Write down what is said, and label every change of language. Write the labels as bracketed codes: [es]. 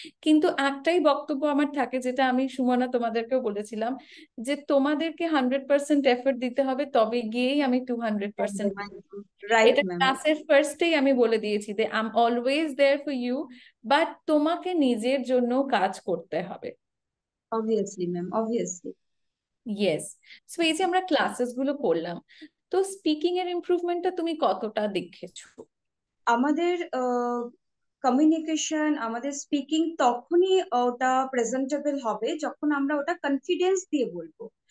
[bn] কিন্তু একটাই বক্তব্য আমার থাকে, যেটা আমি সুমনা তোমাদেরকেও বলেছিলাম, যে তোমাদেরকে 100% এফর্ট দিতে হবে, তবে গিয়েই আমি 200% [en] Right. [bn] এটা ক্লাসের ফার্স্টেই আমি বলে দিয়েছি যে [en] I am always there for you, [bn] but তোমাকে নিজের জন্য কাজ করতে হবে। [en] Obviously, ma'am, obviously. [bn] Yes, so এই যে আমরা ক্লাসেস গুলো করলাম, তো স্পিকিং এর ইমপ্রুভমেন্টটা তুমি কতটা দেখেছো? আমাদের কমিউনিকেশন, আমাদের স্পিকিং তখনই ওটা প্রেজেন্টেবল হবে যখন আমরা ওটা কনফিডেন্স দিয়ে বলবো।